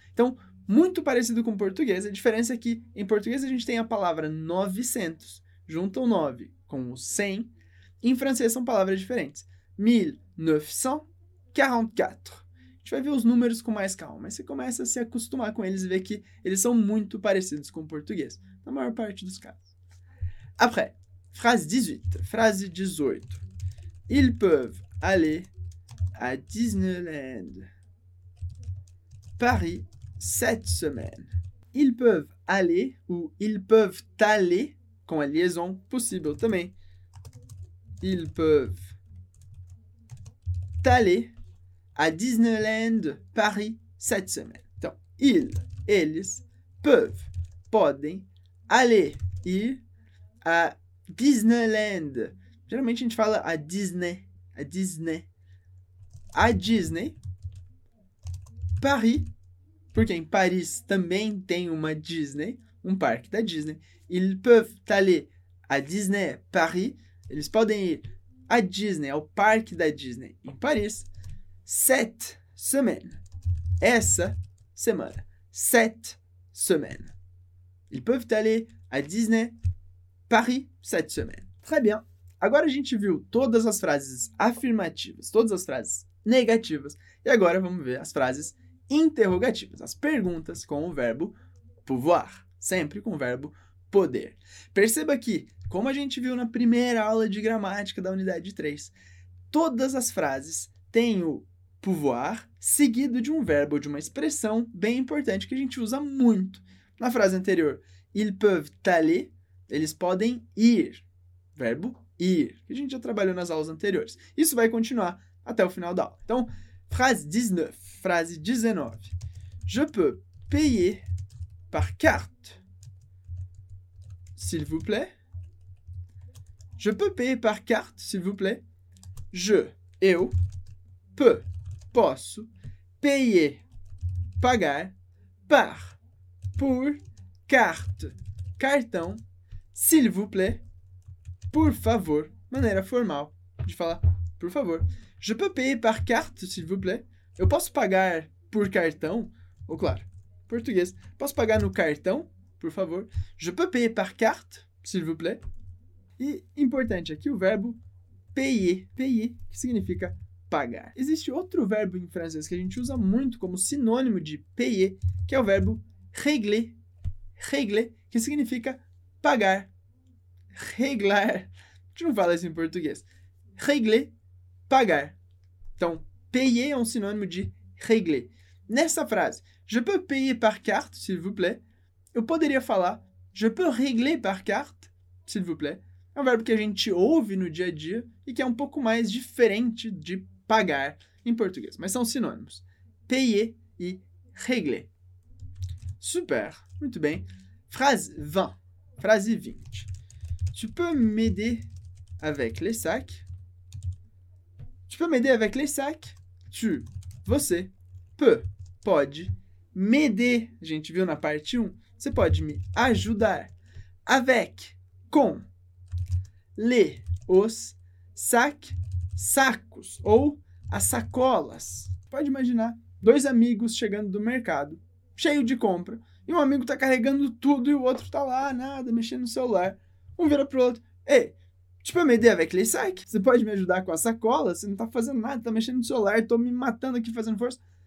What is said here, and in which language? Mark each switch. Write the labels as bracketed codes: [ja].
[pt] Então, muito parecido com o português. A diferença é que em português a gente tem a palavra 900, junta o 9 com o 100. Em francês são palavras diferentes. 1944. A gente vai ver os números com mais calma, mas você começa a se acostumar com eles e ver que eles são muito parecidos com o português. Na maior parte dos casos. [fr] Après, phrase 18. Phrase 18. Ils peuvent aller à Disneyland Paris cette semaine. Ils peuvent aller [pt] ou [fr] ils peuvent aller, [pt] com a liaison possível também. [fr] Ils peuvent allé à Disneyland Paris cette semaine. Donc, ils, elles, peuvent, [pt] podem, [fr] aller y à Disneyland. [pt] Geralmente, a gente fala à Disney. À Disney. À Disney. Paris. Porque em Paris também tem uma Disney. Um parque da Disney. [fr] Ils peuvent aller à Disney Paris. [pt] Eles podem ir à Disney, ao parque da Disney em Paris. [fr] Cette semaine. [pt] Essa semana. [fr] Cette semaine. Ils peuvent aller à Disney Paris cette semaine. Très bien. [pt] Agora a gente viu todas as frases afirmativas, todas as frases negativas. E agora vamos ver as frases interrogativas, as perguntas com o verbo pouvoir. Sempre com o verbo poder. Perceba que, como a gente viu na primeira aula de gramática da unidade 3, todas as frases têm o pouvoir seguido de um verbo, de uma expressão bem importante que a gente usa muito. Na frase anterior, [fr] ils peuvent aller, [pt] eles podem ir. Verbo ir, que a gente já trabalhou nas aulas anteriores. Isso vai continuar até o final da aula. Então, phrase 19, frase 19. [fr] Je peux payer par carte, s'il vous plaît. Je peux payer par carte, s'il vous plaît. Je, [pt] eu, [fr] peux, [pt] posso, [fr] payer, [pt] pagar, [fr] par, [pt] por, [fr] carte, [pt] cartão, [fr] s'il vous plaît. [pt] Por favor, maneira formal de falar, por favor. [fr] Je peux payer par carte, s'il vous plaît. [pt] Eu posso pagar por cartão? Ou, claro, português. Posso pagar no cartão, por favor? [fr] Je peux payer par carte, s'il vous plaît. [pt] E, importante aqui, o verbo payer. Payer, que significa pagar. Existe outro verbo em francês que a gente usa muito como sinônimo de payer, que é o verbo régler. Régler, que significa pagar. Reglar. A gente não fala isso em português. Régler, pagar. Então, payer é um sinônimo de régler. Nessa frase, [fr] je peux payer par carte, s'il vous plaît. [pt] Eu poderia falar, [fr] je peux régler par carte, s'il vous plaît. [pt] É um verbo que a gente ouve no dia a dia e que é um pouco mais diferente de pagar em português. Mas são sinônimos. Payer e régler. Super. Muito bem. Phrase 20. Frase 20. [fr] Tu peux m'aider avec les sacs? Tu peux m'aider avec les sacs? Tu, [pt] você, [fr] peut, [pt] pode, [fr] m'aider, [pt] a gente viu na parte 1, você pode me ajudar, [fr] avec, [pt] com, [fr] les, [pt] os, [fr] sacs, [pt] sacos, ou as sacolas. Pode imaginar dois amigos chegando do mercado, cheio de compra, e um amigo está carregando tudo e o outro está lá, nada, mexendo no celular. Um vira pro outro. Ei, [fr] tu peux m'aider avec les sacs? [pt] Você pode me ajudar com a sacola? Você não tá fazendo nada, tá mexendo no celular, tô me matando aqui fazendo força.